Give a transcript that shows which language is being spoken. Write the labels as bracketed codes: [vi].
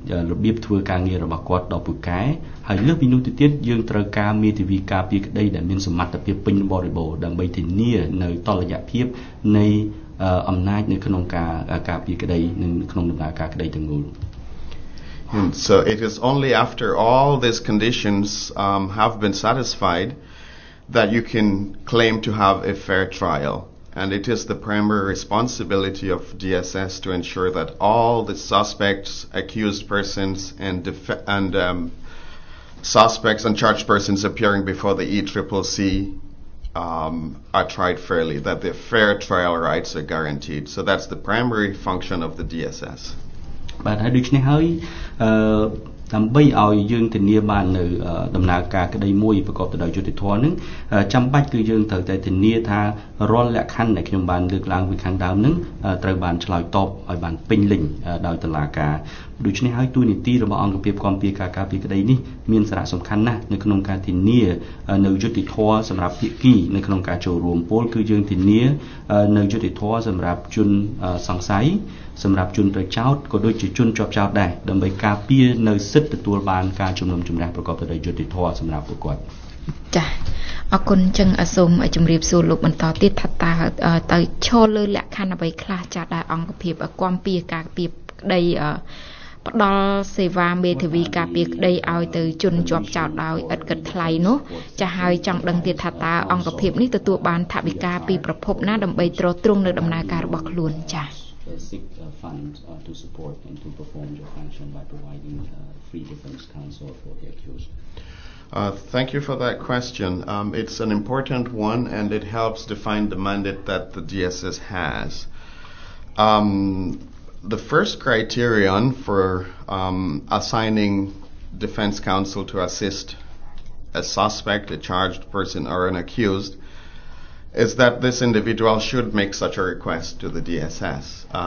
[km] របៀបធ្វើការងាររបស់គាត់ដល់ពូកែហើយលើសពីនោះទៅទៀតយើងត្រូវការមេធាវីការពារក្តីដែលមានសមត្ថភាពពេញបរិបូរណ៍ដើម្បីធានានៅតុល្យភាពនៃអំណាចនៅក្នុងការការពារក្តីនិងក្នុងដំណើរការក្តីទាំងមូល [en] So it is only after all these conditions have been satisfied that you can claim to have a fair trial. And it is the primary responsibility of DSS to ensure that all the suspects, accused persons, and suspects and charged persons appearing before the ECCC are tried fairly, that their fair trial rights are guaranteed. So that's the primary function of the DSS. But how do you know how you... [km] ដើម្បីឲ្យយើងធានាបាននៅដំណើរការក្តីមួយប្រកបដោយយុត្តិធម៌នឹងចាំបាច់គឺយើងត្រូវតែធានាថារាល់លក្ខខណ្ឌដែលខ្ញុំបានលើកឡើងពីខាងដើមនឹងត្រូវបានឆ្លើយតបឲ្យបានពេញលេញដោយតុលាការដូច្នេះហើយទួលនីតិរបស់អង្គភាពគាំពារការការពារក្តីនេះមានសារៈសំខាន់ណាស់នៅក្នុងការធានានៅយុត្តិធម៌សម្រាប់ភាគីនៅក្នុងការចូលរួមពលគឺយើងធានា នៅយុត្តិធម៌សម្រាប់ជនសង្ស័យសម្រាប់ជនប្រចោតក៏ដូចជាជនជាប់ចោតដែរដើម្បីការពារនៅសិទ្ធិទទួលបានការជំនុំជម្រះប្រកបដោយយុត្តិធម៌សម្រាប់ពលគាត់ចា៎អរគុណចឹងសូមជម្រាបសួរលោកបន្តទៀតថាតើទៅឈលលើលក្ខខណ្ឌអ្វីខ្លះចាស់ដែរអង្គភាពគាំពារការពារក្តីផ្ដល់សេវាមេធាវីការពារក្តីឲ្យទៅជនជាប់ចោតដោយឥតគិតថ្លៃនោះចាស់ហើយចង់ដឹងទៀតថាតើអង្គភាពនេះទទួលបានថវិកាពីប្រភពណាដើម្បីទ្រទ្រង់នៅដំណើរការរបស់ខ្លួនចា៎ [en] Seek funds to support and to perform your function by providing free defense counsel for the accused. Thank you for that question. It's an important one and it helps define the mandate that the DSS has. The first criterion for assigning defense counsel to assist a suspect, a charged person, or an accused is that this individual should make such a request to the DSS.